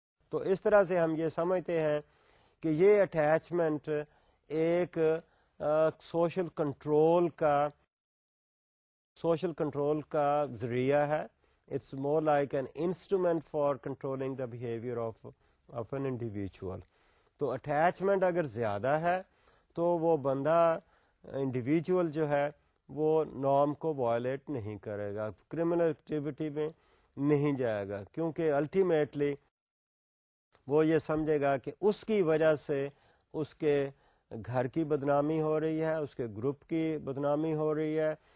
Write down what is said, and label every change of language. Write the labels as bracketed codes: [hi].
[ur] تو اس طرح سے ہم یہ سمجھتے ہیں کہ یہ اٹیچمنٹ ایک سوشل کنٹرول کا ذریعہ ہے. [en] It's more like an instrument for controlling the behaviour of an individual. [ur] تو اٹیچمنٹ اگر زیادہ ہے تو وہ بندہ انڈیویچول جو ہے وہ نارم کو وائلیٹ نہیں کرے گا, کرمنل ایکٹیویٹی میں نہیں جائے گا, کیونکہ الٹیمیٹلی وہ یہ سمجھے گا کہ اس کی وجہ سے اس کے گھر کی بدنامی ہو رہی ہے, اس کے گروپ کی بدنامی ہو رہی ہے.